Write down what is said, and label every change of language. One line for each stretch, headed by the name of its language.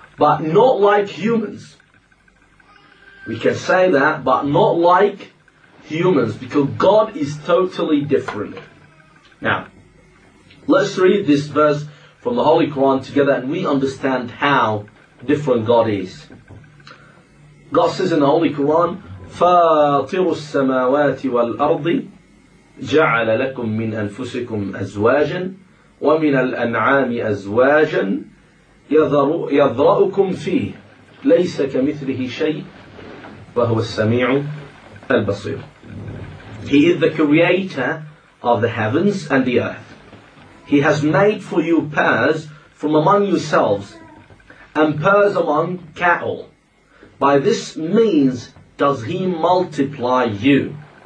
English: But not like humans. We can say that, but not like humans, because God is totally different. Now, let's read this verse from the Holy Quran together and we understand how different God is. God says in the Holy Quran,
Arabic: فَاطِرُ السَّمَاوَاتِ وَالْأَرْضِ جَعَلَ لَكُم مِّنْ أَنفُسِكُمْ أَزْوَاجًا وَمِنَ الْأَنْعَامِ أَزْوَاجًا يَذْرَأُكُمْ فِيهِ لَيْسَ كَمِثْلِهِ شَيْءٍ وَهُوَ السَّمِيعُ الْبَصِيرُ.
English: He is the creator of the heavens and the earth. He has made for you pairs from among yourselves and pairs among cattle. By this means does he multiply you.